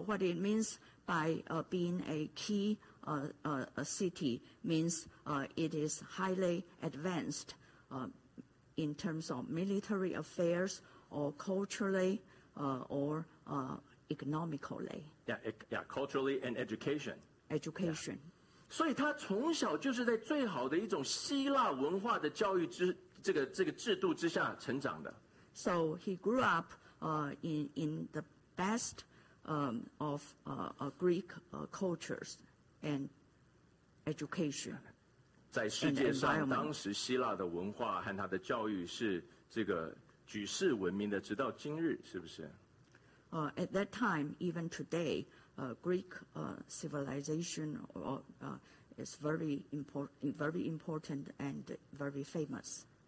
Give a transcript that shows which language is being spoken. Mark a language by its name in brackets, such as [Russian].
[English] what it means by being a key a city means it is highly advanced in terms of military affairs or culturally or economically. Yeah, culturally and education. Education. Yeah. [Chinese] 所以他从小就是在最好的一种希腊文化的教育制度之下成长的。 [English] So he grew up in the best of Greek cultures and education. [Chinese] 在世界上，当时希腊的文化和他的教育是这个举世闻名的，直到今日，是不是？ [English] At that time, even today, Greek civilization is very important and very famous.